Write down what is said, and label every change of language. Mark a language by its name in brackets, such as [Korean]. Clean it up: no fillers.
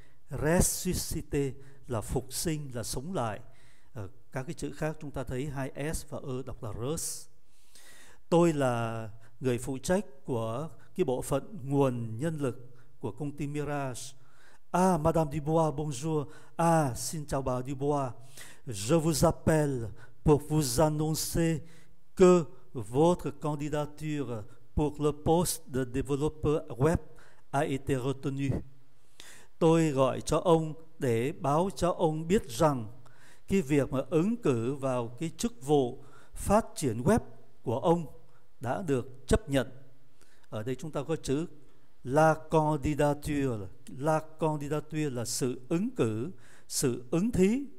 [Vietnamese] Resuscite là phục sinh, là sống lại. Các cái chữ khác chúng ta thấy hai S và Ơ đọc là rớt. Tôi là người phụ trách của cái bộ phận nguồn nhân lực của công ty Mirage. [French] Ah, Madame Dubois, bonjour. [Vietnamese] Ah, xin chào bà Dubois. [French] Je vous appelle pour vous annoncer que votre candidature pour le poste de développeur web a été retenue. [Vietnamese] Tôi gọi cho ông để báo cho ông biết rằng cái việc mà ứng cử vào cái chức vụ phát triển web của ông đã được chấp nhận. Ở đây chúng ta có chữ la candidature. La candidature là sự ứng cử, sự ứng thí.